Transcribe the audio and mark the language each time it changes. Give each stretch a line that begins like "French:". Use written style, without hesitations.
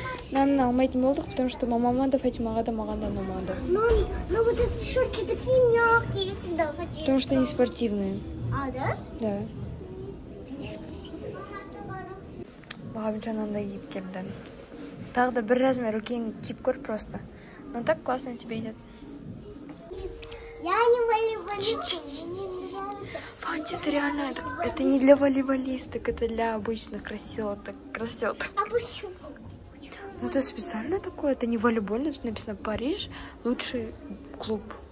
Kazakh: Нам алмайтын болдық,
Russian: потому что
Kazakh: мама мада, Фатимаға да, маған да ұнамады.
Russian: Но вот эти шорты такие мягкие всегда хочу. Потому что они спортивные. А, да? Да. Не спортивные.
Kazakh: Мухаммеджан андай киіп келді. Тағы да бір размер үлкен киіп көр просто.
Russian: Но так классно тебе идет. Я не волейболист. Фанти, это реально, это не для волейболисток, это для обычных красоток. Красоток. А почему? Это специально такое, это не волейбольный, тут написано Париж, лучший клуб.